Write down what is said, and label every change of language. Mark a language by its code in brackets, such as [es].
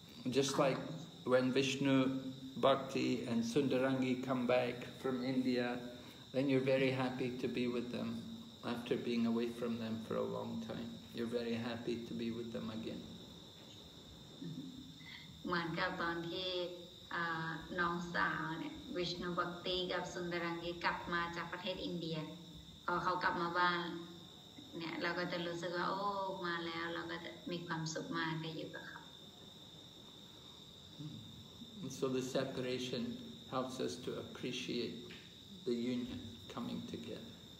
[en] Just like when Vishnu, Bhakti and Sundarangi come back from India, then you're very happy to be with them after being away from them for a long time. You're very happy to be with them again. [th] เหมือนกับตอนที่น้องสาวเนี่ย Vishnu Bhakti กับ Sundarangi กลับมาจากประเทศอินเดียพอเขากลับมาบ้านเนี่ยเราก็จะรู้สึกว่าโอ้มาแล้วเราก็จะมีความสุขมากได้อยู่กับเขา [en] So the separation helps us to appreciate the union coming together.